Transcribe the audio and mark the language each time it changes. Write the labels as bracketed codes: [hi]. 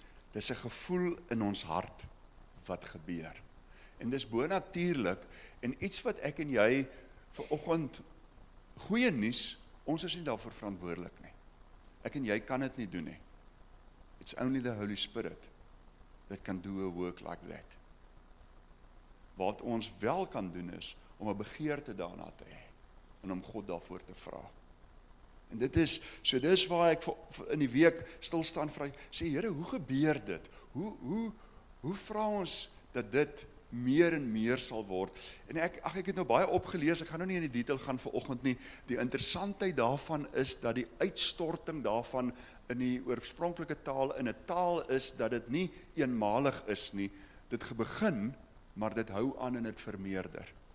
[af] Dis 'n gevoel in ons hart wat gebeur. En dis bonatuurlik en iets wat ek en jy vanoggend goeie nuus, ons is nie daarvoor verantwoordelik nie. Ek en jy kan dit nie doen nie. [en] It's only the Holy Spirit that can do a work like that. [af] Wat ons wel kan doen is, om 'n begeerte daarna te hê, en om God daarvoor te vra. En dit is, so dis waar ek in die week stilstaan vra, sê Here, hoe gebeur dit? Hoe vra ons dat dit meer en meer sal word? En ek het nou baie opgelees, ek gaan nou nie in die detail gaan vanoggend nie, die interessantheid daarvan is, dat die uitstorting daarvan in die oorspronklike taal, in 'n taal is, dat dit nie eenmalig is nie, dit begin, maar dit hou aan en dit vermeerder.